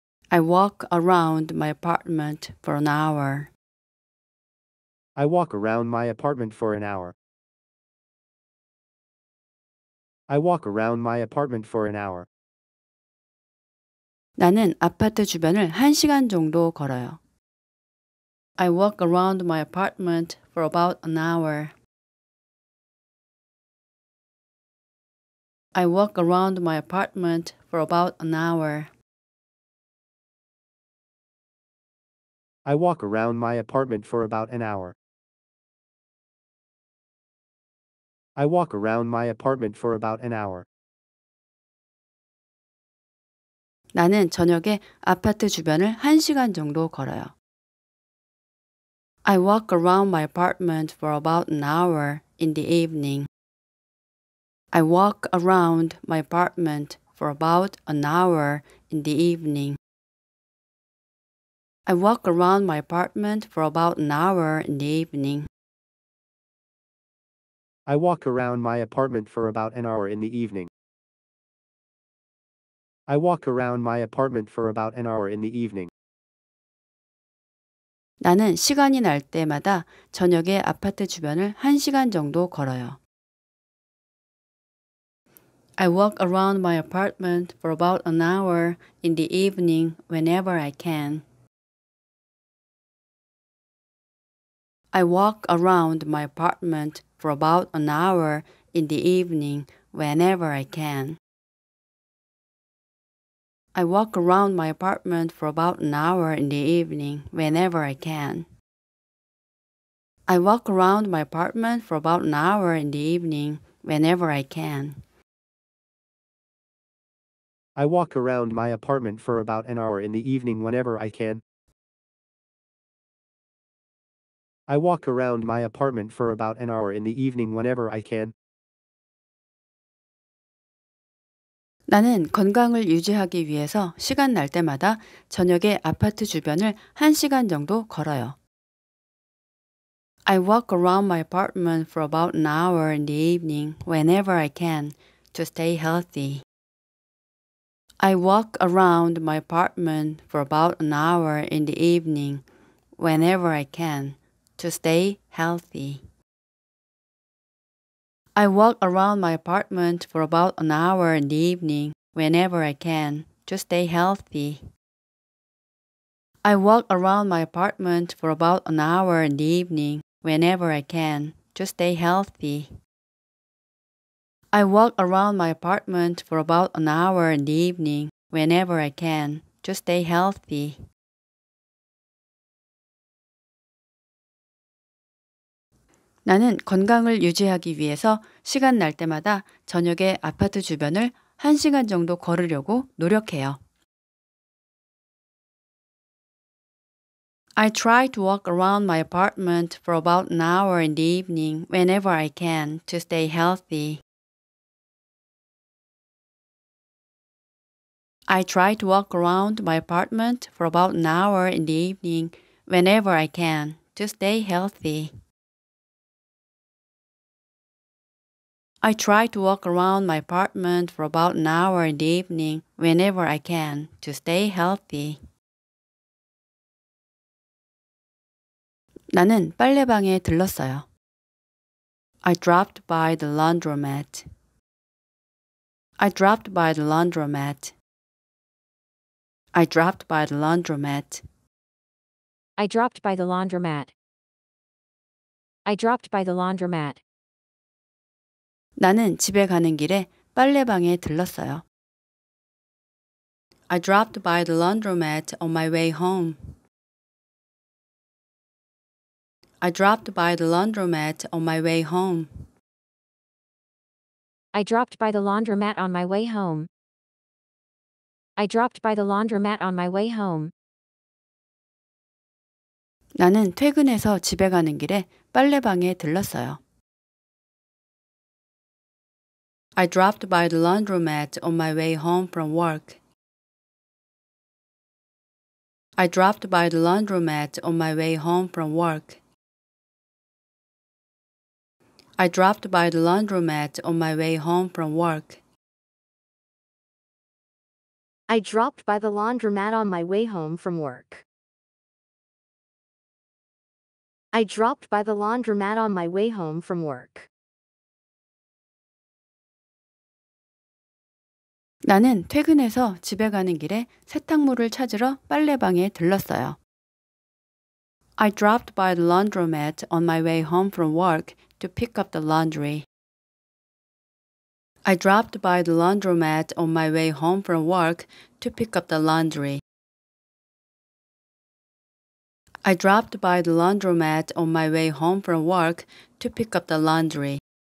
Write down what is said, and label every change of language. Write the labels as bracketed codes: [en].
[en] I walk around my apartment for an hour. I walk around my apartment for an hour. I walk around my apartment for an hour. [ko] 나는 아파트 주변을 한 시간 정도 걸어요. [en] I walk around my apartment for about an hour. I walk around my apartment for about an hour. I walk around my apartment for about an hour. I walk around my apartment for about an hour. [ko] 나는 저녁에 아파트 주변을 한 시간 정도 걸어요. [en] I walk around my apartment for about an hour in the evening. I walk around my apartment for about an hour in the evening. I walk around my apartment for about an hour in the evening. I walk around my apartment for about an hour in the evening. I walk around my apartment for about an hour in the evening. [ko] 나는 시간이 날 때마다 저녁에 아파트 주변을 한 시간 정도 걸어요. [en] I walk around my apartment for about an hour in the evening whenever I can. I walk around my apartment for about an hour in the evening whenever I can. I walk around my apartment for about an hour in the evening whenever I can. I walk around my apartment for about an hour in the evening whenever I can. I walk around my apartment for about an hour in the evening whenever I can. I walk around my apartment for about an hour in the evening whenever I can. [ko] 나는 건강을 유지하기 위해서 시간 날 때마다 저녁에 아파트 주변을 한 시간 정도 걸어요. [en] I walk around my apartment for about an hour in the evening whenever I can to stay healthy. I walk around my apartment for about an hour in the evening whenever I can to stay healthy. I walk around my apartment for about an hour in the evening whenever I can to stay healthy. I walk around my apartment for about an hour in the evening whenever I can to stay healthy. I walk around my apartment for about an hour in the evening whenever I can to stay healthy. [ko] 나는 건강을 유지하기 위해서 시간 날 때마다 저녁에 아파트 주변을 1시간 정도 걸으려고 노력해요. [en] I try to walk around my apartment for about an hour in the evening whenever I can to stay healthy. I try to walk around my apartment for about an hour in the evening whenever I can to stay healthy. I try to walk around my apartment for about an hour in the evening whenever I can to stay healthy. [ko] 나는 빨래방에 들렀어요. [en] I dropped by the laundromat. I dropped by the laundromat. I dropped by the laundromat. I dropped by the laundromat. I dropped by the laundromat. [ko] 나는 집에 가는 길에 빨래방에 들렀어요. [en] I dropped by the laundromat on my way home. I dropped by the laundromat on my way home. I dropped by the laundromat on my way home. I dropped by the laundromat on my way home. [ko] 나는 퇴근해서 집에 가는 길에 빨래방에 들렀어요. [en] I dropped by the laundromat on my way home from work. I dropped by the laundromat on my way home from work. I dropped by the laundromat on my way home from work. I dropped by the laundromat on my way home from work. I dropped by the laundromat on my way home from work. [ko] 나는 퇴근해서 집에 가는 길에 세탁물을 찾으러 빨래방에 들렀어요. [en] I dropped by the laundromat on my way home from work to pick up the laundry. I dropped by the laundromat on my way home from work to pick up the laundry. I dropped by the laundromat on my way home from work to pick up the laundry.